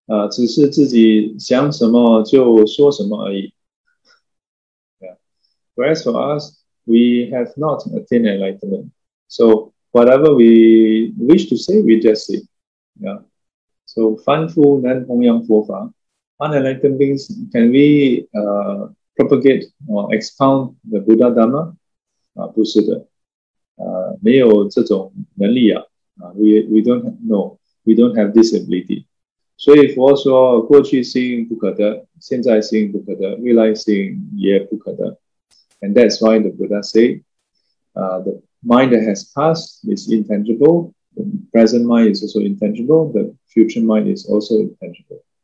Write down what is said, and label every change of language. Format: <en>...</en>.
<zh>只是自己想什么就说什么而已.</zh> <en>Yeah. Whereas for us, we have not attained enlightenment. So whatever we wish to say, we just say. Yeah. So</en> <zh>凡夫难弘扬佛法.</zh> <en>Unenlightened beings, can we propagate or expound the Buddha Dharma?</en> <zh>不是的. 没有这种能力啊.</zh> <en>We don't have this ability.</en> <zh>所以佛说过去心不可得，现在心不可得，未来心也不可得.</zh> <en>And that's why the Buddha say, the mind that has passed is intangible, the present mind is also intangible, the future mind is also intangible.</en>